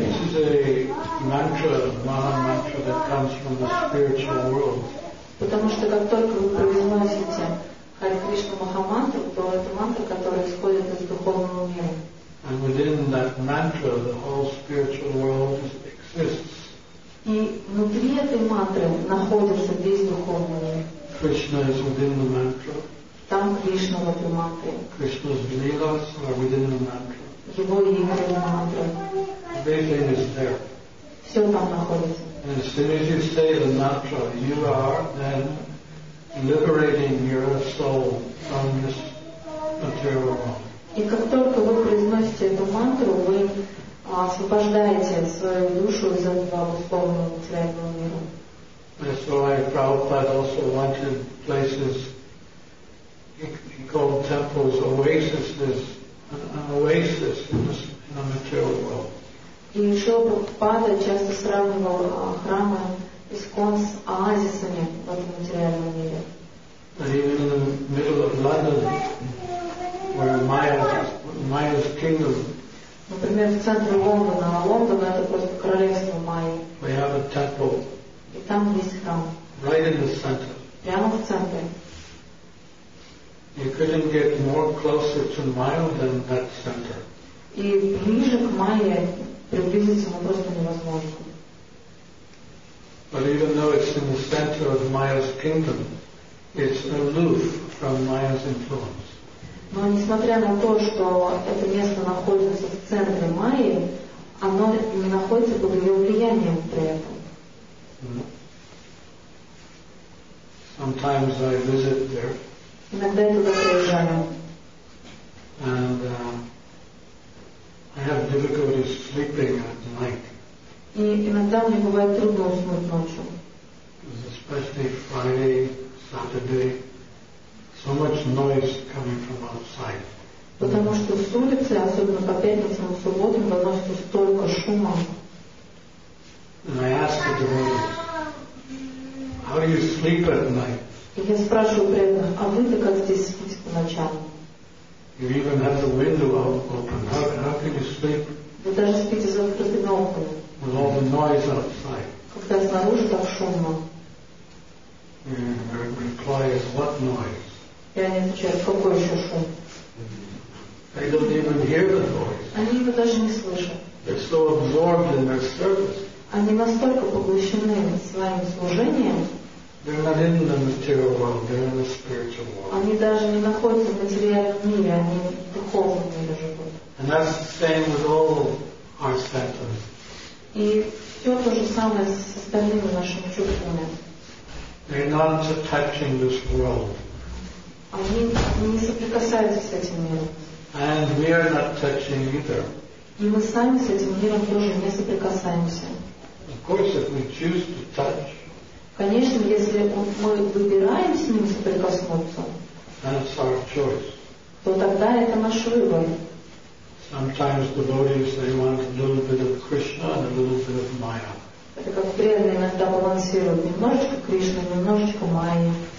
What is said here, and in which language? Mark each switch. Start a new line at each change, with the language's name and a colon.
English: This is a mantra, a Maha mantra that comes from the spiritual world.
Russian: Потому что как только вы произносите Hare Krishna Maha mantra, то это мантра, которая исходит из духовного мира.
English: And within that mantra, the whole spiritual world exists.
Russian: И внутри этой мантры находится весь духовный мир.
English: Krishna is within the mantra.
Russian: Там Кришна в этой мантре.
English: Krishna's leelas are within the mantra.
Russian: Его игры в мантре.
English: Everything is there.
Russian: Все там находится.
English: And as soon as you say the mantra, you are then liberating your soul from this material world.
Russian: И как только вы произносите эту мантру, вы освобождаете свою душу из этого условного материального мира.
English: That's why Prabhupada also wanted places he called temples, oases, an oasis in the material world.
Russian: И еще Прабхупада часто сравнивал храмы ИСККОН с оазисами в этом материальном мире.
English: And even in the middle of London, where Maya's kingdom.
Russian: Например, в центре Лондона, а Лондон это просто королевство Майи.
English: We have a temple.
Russian: И там есть храм.
English: Right in the center.
Russian: Прямо в центре.
English: You couldn't get more closer to Maya than that center.
Russian: И ближе к Майе приблизиться мы просто невозможно.
English: But even though it's in the center of Maya's kingdom, it's aloof from Maya's influence.
Russian: Но несмотря на то, что это место находится в центре Майи, оно не находится под ее влиянием при этом.
English: Sometimes I visit there.
Russian: Иногда я туда приезжаю.
English: And I have difficulty sleeping at night.
Russian: И иногда мне бывает трудно уснуть ночью.
English: Especially Friday, Saturday. So much noise coming from outside.
Russian: Потому что с улицы, особенно по пятницам и субботам, доносится столько шума.
English: And I ask the devotees, how do you sleep at night?
Russian: И я спрашиваю преданных, а вы-то как здесь спите по ночам?
English: You even have the window open. How can you sleep?
Russian: Вы даже спите с открытыми окнами.
English: With all the noise outside.
Russian: Когда снаружи так шумно.
English: Their reply is, what noise?
Russian: И они отвечают, какой еще шум?
English: They don't even hear the noise.
Russian: Они его даже не слышат.
English: They're so absorbed in their service.
Russian: Они настолько поглощены своим служением.
English: They're not in the material world, they're in the spiritual world.
Russian: Они даже не находятся в материальном мире, они в духовном мире живут.
English: And that's the same with all our senses.
Russian: И все то же самое с остальными нашими чувствами.
English: They're not touching this world.
Russian: Они не соприкасаются с этим миром.
English: And we are not touching either.
Russian: И мы сами с этим миром тоже не соприкасаемся.
English: Of course, if we choose to touch.
Russian: Конечно, если мы выбираем с ним соприкоснуться,
English: that's our choice.
Russian: То тогда это наш выбор.
English: Sometimes devotees they want a little bit of Krishna and a little bit of Maya.
Russian: Это как преданные иногда балансируют немножечко Кришны, немножечко Майи.